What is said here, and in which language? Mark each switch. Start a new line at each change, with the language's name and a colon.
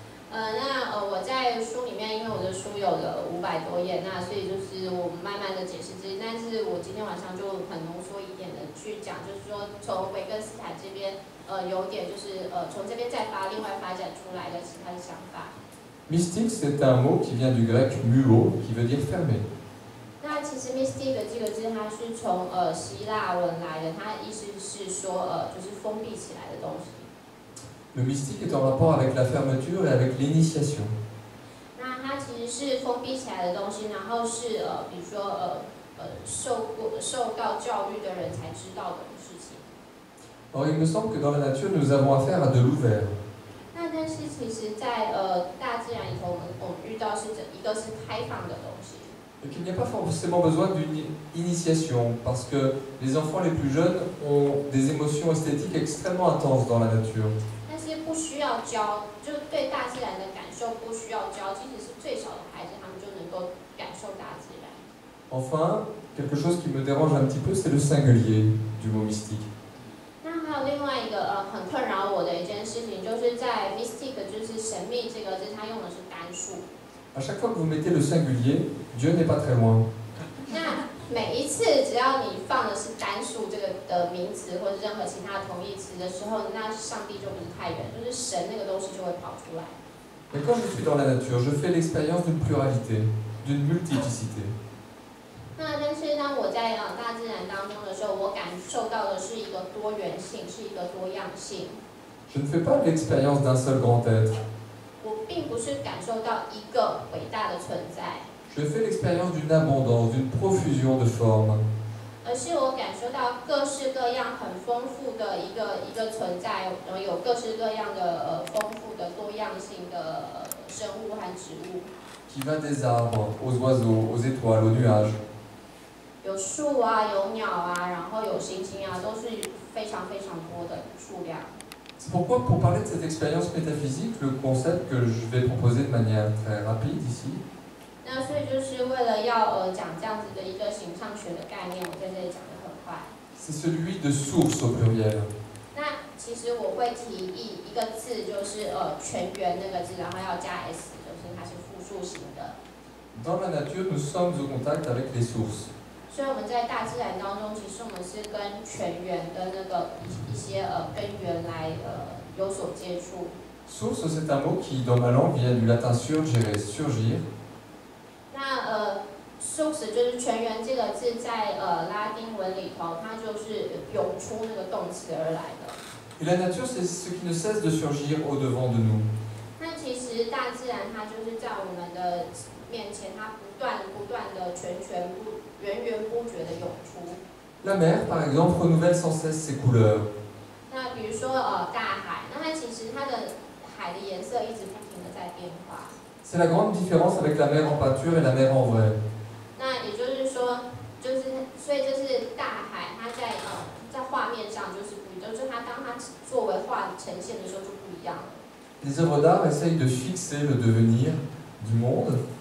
Chinese: 那我在书里面，因为我的书有了500多页，那所以就是我慢慢的解释。但是我今天晚上就很浓缩一点的去讲，就是说从维根斯坦这边，有点就是从这边再发另外发展出来的其他的想法。
French: Mystique c'est un mot qui vient du grec muo qui veut dire fermé。
Chinese: 那其实 mystique 这个字它是从希腊文来的，它意思是说就是封闭起来的东西。
French: Le mystique est en rapport avec la fermeture et avec l'initiation。
Chinese: 那它其实是封闭起来的东西，然后是比如说受到教育的人才知道的事情。
French: Or il me semble que dans la nature nous avons affaire à de l'ouvert。
Chinese: 那但是其实在大自然里头，我们遇到是一个是开放的东西。
French: et qu'il n'y a pas forcément besoin d'une initiation, parce que les enfants les plus jeunes ont des émotions esthétiques extrêmement intenses dans la nature.
Chinese: 那些不需要教，就对大自然的感受不需要教，即使是最小的孩子，他们就能够感受大自然。
French: Enfin, quelque chose qui me dérange un petit peu, c'est le singulier du mot mystique.
Chinese: 那还有另外一个很困扰我的一件事情，就是在 mystique 就是神秘这个字，他用的是单数。
French: À chaque fois que vous mettez le singulier, Dieu n'est pas très loin.
Chinese: 那每一次只要你放的是单数这个的名词或者任何其他的同义词的时候，那上帝就不是太远，就是神那个东西就会跑出来。
French: Mais quand je suis dans la nature, je fais l'expérience d'une pluralité, d'une multiplicité.
Chinese: 那但是当我在大自然当中的时候，我感受到的是一个多元性，是一个多样性。
French: Je ne fais pas l'expérience d'un seul grand être.
Chinese: 我并不是感受到一个伟大的存在。
French: Je fais l'expérience d'une abondance, d'une profusion de formes.
Chinese: 而是我感受到各式各样很丰富的一个存在，有各式各样的丰富的多样性的生物和植物。
French: Qui va des arbres, aux oiseaux, aux étoiles, aux nuages.
Chinese: 有树啊，有鸟啊，然后有星星啊，都是非常非常多的数量。
French: C'est pourquoi, pour parler de cette expérience métaphysique, le concept que je vais proposer de manière très rapide ici.
Chinese: 那所以就是为了要讲这样子的一个形上学的概念，我在这里讲得很快。
French: C'est celui de source au pluriel.
Chinese: 那其实我会提议一个字，就是全源那个字，然后要加 s， 就是它是复数型的。
French: Dans la nature, nous sommes au contact avec les sources.
Chinese: 所以我们在大自然当中，其实我们是跟泉源跟那个一些根源来有所接触。
French: Source c'est un mot qui dans ma langue vient du latin surgere surgir。
Chinese: 那source 就是泉源这个字在拉丁文里头，它就是涌出那个动词而来的。
French: Et la nature c'est ce qui ne cesse de surgir au devant de nous。
Chinese: 那其实大自然它就是在我们的面前，它不断的泉源不。源源不绝的涌出。
French: La mer, par exemple, renouvelle sans cesse ses couleurs.
Chinese: 那比如说大海，那它其实它的海的颜色一直不停的在变化。
French: C'est la grande différence avec la mer en peinture et la mer en vrai.
Chinese: 那也就是说，所以就是大海，它在画面上就是不一样，就是它当它作为画呈现的时候就不一样了。
French: Les œuvres d'art essayent de fixer le devenir du monde.